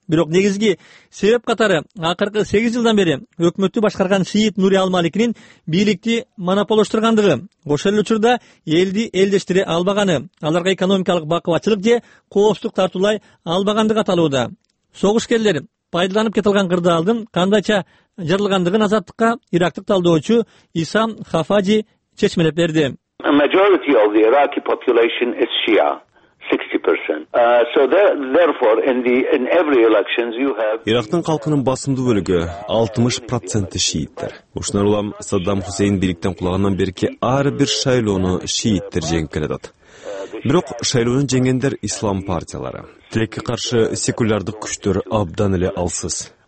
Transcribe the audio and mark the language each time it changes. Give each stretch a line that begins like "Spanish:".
Kyrgyz: Бирок негизги себеп катары акыркы 8 жылдан бери өкмөттү башкарган Шиит Нури Алмаликинин бийликти монополоштургандыгы, ошол эле учурда элди элдештире албаганы, аларга экономикалык бакыбачылык же коопсуздук тартуулай албагандыгы аталууда. Согушкерлер пайдаланып кетилген кырдаалдын кандайча жарылгандыгын Азаттыкка ирактык талдоочу Исам Хафаджи чечмелеп берди.
English: A majority of the Iraqi population is Shia, 60%. So therefore in every elections you have
Kyrgyz: Ирактын калкынын басымдуу бөлүгү 60% шииттер. Ушундай улам Саддам Хусейн бийликтен кулагандан берки ар бир шайлоону шииттер жеңип келатат. Бирок шайлоону жеңгендер ислам партиялары. Тилекке каршы секулярдык күчтөр абдан эле алсыз.